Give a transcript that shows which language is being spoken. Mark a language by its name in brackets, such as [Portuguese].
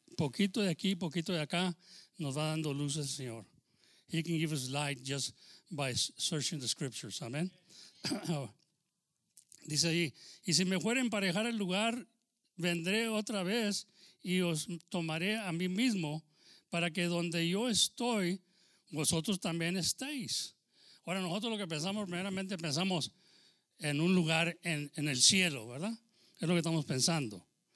[Spanish] Poquito de aquí, poquito de acá, nos va dando luz el Señor. [English] He can give us light just by searching the scriptures. [Spanish] Amén. Dice ahí, y si me fuere emparejar el lugar, vendré otra vez y os tomaré a mí mismo para que donde yo estoy, vosotros también estéis. Ahora nosotros lo que pensamos, primeramente pensamos en un lugar en el cielo, ¿verdad? Es lo que estamos pensando.